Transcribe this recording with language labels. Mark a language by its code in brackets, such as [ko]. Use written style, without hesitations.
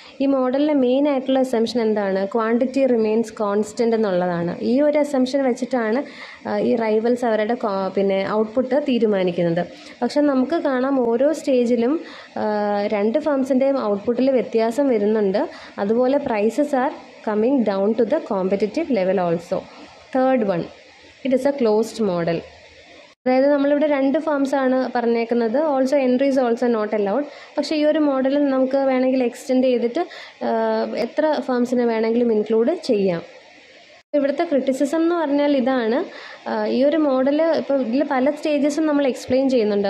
[ml] ഈ മോഡലിലെ മെയിൻ ആയിട്ടുള്ള അസംഷൻ എന്താണ്? [en] quantity remains constant [ml] എന്നുള്ളതാണ്. ഈ ഒരു അസംഷൻ വെച്ചിട്ടാണ് ഈ റൈവൽസ് അവരുടെ പിന്നെ ഔട്ട്പുട്ട് തീരുമാനിക്കുന്നത്. പക്ഷെ നമുക്ക് കാണാം ഓരോ സ്റ്റേജിലും രണ്ട് ഫേംസിൻ്റെയും ഔട്ട്പുട്ടിൽ വ്യത്യാസം വരുന്നുണ്ട്. അതുപോലെ [en] Prices are coming down to the competitive level also. Third one, it is a closed model. [ml] അതായത് നമ്മളിവിടെ രണ്ട് ഫാംസാണ് പറഞ്ഞേക്കുന്നത്. [en] Also entries also not allowed. [ml] പക്ഷേ ഈ ഒരു മോഡൽ നമുക്ക് വേണമെങ്കിൽ എക്സ്റ്റെൻഡ് ചെയ്തിട്ട് എത്ര ഫാംസിനെ വേണമെങ്കിലും ഇൻക്ലൂഡ് ചെയ്യാം. ഇവിടുത്തെ ക്രിറ്റിസിസം എന്ന് പറഞ്ഞാൽ ഇതാണ്, ഈ ഒരു മോഡൽ ഇപ്പോൾ ഇതിൽ പല സ്റ്റേജസും നമ്മൾ എക്സ്പ്ലെയിൻ ചെയ്യുന്നുണ്ട്.